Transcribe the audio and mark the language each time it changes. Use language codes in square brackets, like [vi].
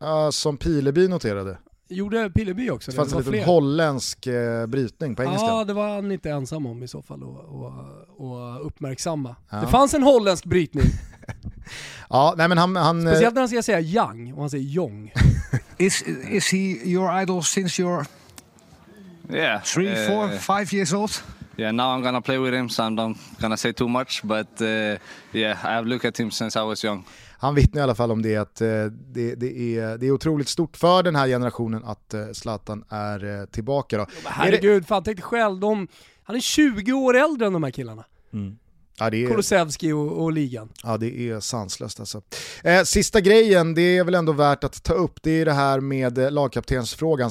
[sv] Som Pileby noterade. Gjorde Pileby också. Det fanns en liten holländsk brytning på engelska. Ja, det var han inte ensam om i så fall och uppmärksamma. Ja. Det fanns en holländsk brytning. Ja, nej, men han, speciellt när han ska säga Young och han säger Jong. [en] Is he your idol since you're three, four, 5 years old? Yeah, now I'm gonna play with him, so I'm not gonna say too much. But yeah, I've looked at him since I was young. [sv] Han vittnar i alla fall om det, att det är otroligt stort för den här generationen att Zlatan är tillbaka. Då. Ja, herregud, fan, tänk dig själv. Han är 20 år äldre än de här killarna. Mm. Ja, det är Kulusevski och ligan. Ja, det är sanslöst alltså. Sista grejen, det är väl ändå värt att ta upp, det är det här med lagkaptensfrågan.